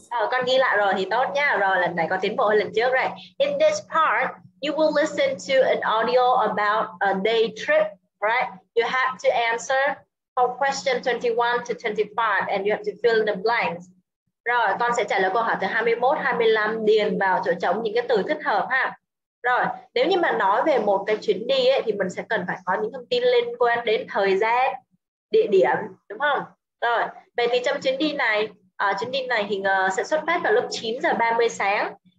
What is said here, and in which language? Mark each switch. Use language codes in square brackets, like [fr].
[vi] con ghi lại rồi thì tốt nha. Rồi lần này có tiến bộ hơn lần trước rồi. [en] In this part, you will listen to an audio about a day trip, right? You have to answer for question 21 to 25 and you have to fill in the blanks. [vi] Rồi con sẽ trả lời câu hỏi từ 21, 25, điền vào chỗ trống những cái từ thích hợp ha. Rồi nếu như mà nói về một cái chuyến đi ấy, thì mình sẽ cần phải có những thông tin liên quan đến thời gian, địa điểm, đúng không? Rồi vậy thì trong chuyến đi này, chuyến đi này thì sẽ xuất phát vào lúc 9:30 sáng.